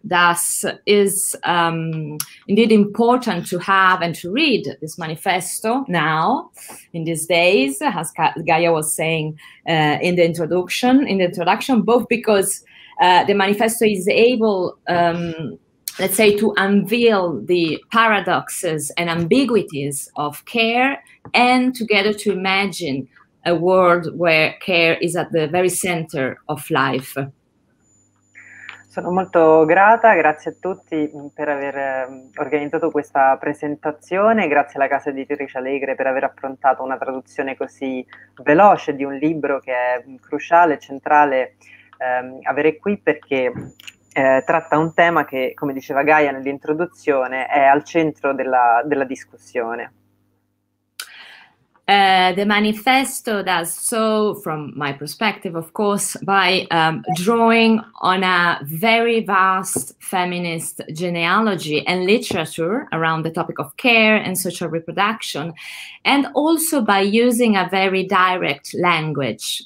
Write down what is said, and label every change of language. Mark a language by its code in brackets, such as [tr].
[en] Thus, is indeed important to have and to read this manifesto now, in these days, as Gaia was saying in the introduction, both because the manifesto is able, let's say, to unveil the paradoxes and ambiguities of care, and together to imagine a world where care is at the very center of life. [it] Sono molto grata, grazie a tutti per aver organizzato questa presentazione, grazie alla casa editrice Allegre per aver approntato una traduzione così veloce di un libro che è cruciale, centrale avere qui perché tratta un tema che, come diceva Gaia nell'introduzione, è al centro della discussione. [en] The manifesto does so, from my perspective, of course, by drawing on a very vast feminist genealogy and literature around the topic of care and social reproduction, and also by using a very direct language.